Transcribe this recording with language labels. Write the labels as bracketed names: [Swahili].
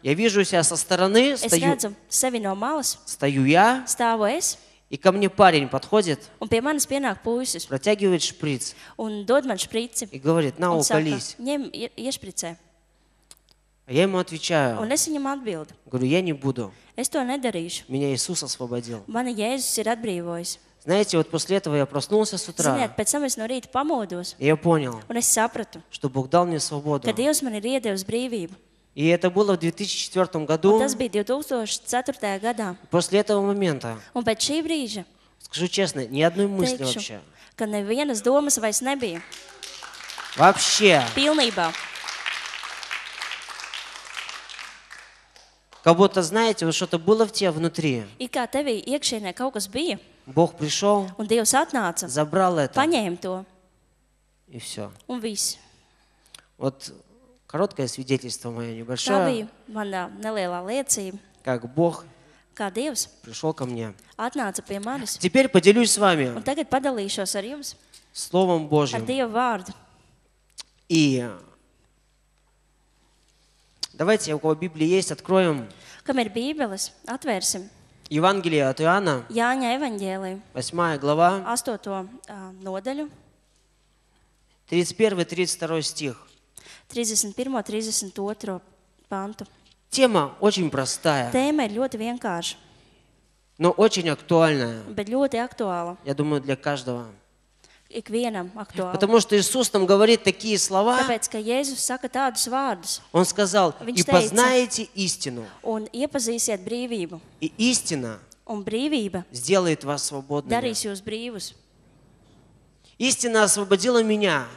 [Russian] Я вижу себя со стороны, стою. [Latvian] Es redzu sevi no malas. [Russian] Стою я. [Latvian] Stāvu es. [Russian] И ко мне парень подходит. [Latvian] Un pie manis pienāk puisis. [Russian] Протягивает шприц. [Latvian] Un dod man [Russian] шприци. И говорит, на, уколись. [Latvian] Ņem iešpricē. [Russian] А я ему отвечаю. [Latvian] Un es viņam atbildu. [Russian] Говорю, я не буду. [Latvian] Es to nedarīšu. [Russian] Меня Иисус освободил. [Latvian] Mani Jēzus ir atbrīvojis. [Russian] Знаете, вот после этого я проснулся с утра. [Latvian] Ziniet, pēc tam es no rīta pamodos. [Russian] Я понял. [Latvian] Un es sapratu. [Russian] Что Бог дал мне свободу. [Latvian] Ka Dievs man ir iedevis brīvību. [Russian] И это было в 2004 году. [Latvian] Un tas bija 2004. Gadā. [Russian] После этого момента. [Latvian] Un pēc šī brīža. [Russian] Скажу честно, ни одной мысли [Latvian] teikšu, [Russian] вообще. [Latvian] ka nevienas domas vairs nebija. [Russian] Вообще. [Latvian] Pilnībā. [Russian] Как будто, знаете, вот что-то было в тебе внутри. [Latvian] И как тебе iekšēnē kaut kas bija. [Russian] Бог пришел. [Latvian] Un Dievs atnāca. [Russian] Забрал это. [Latvian] Paņēma to. [Russian] И все. [Latvian] Un viss. [Russian] Вот короткое свидетельство мое небольшое. [Latvian] Tā bija mana nelielā liecība. [Russian] Как Бог [Latvian] kā Dievs [Russian] пришел ко мне. [Latvian] Atnāca pie manis. [Russian] Теперь поделюсь с вами. [Latvian] Un tagad padalīšos ar jums. [Russian] Словом Божьим. [Latvian] Ar Dievu vārdu. [Russian] И давайте, у кого Библия есть, откроем. [Latvian] Kam ir Bībeles, atvērsim. [Russian] Евангелие от Иоанна. [Latvian] Jāņa evaņģēlija. [Russian] 8. глава. [Latvian] 8. Nodaļu. [Russian] 31-32 стих. [Latvian] 31-32 пантu. [Russian] Тема очень простая. [Latvian] Тема ir ļoti vienkārša. [Russian] Но очень актуальная. [Latvian] Bet ļoti aktuāla. [Russian] Я думаю, для каждого. [Latvian] Ikvienam aktuāli. [Russian] Потому что Иисус там говорит такие слова. [Latvian] Tāpēc, ka Jēzus saka tādus vārdus. [Russian] Он сказал, и познаете истину. [Latvian] Un iepazīsiet brīvību. [Russian] И истина. [Latvian] Un brīvība. [Russian] Сделает вас свободными. [Latvian] Darīs jūs brīvus. [Russian] Истина освободила меня.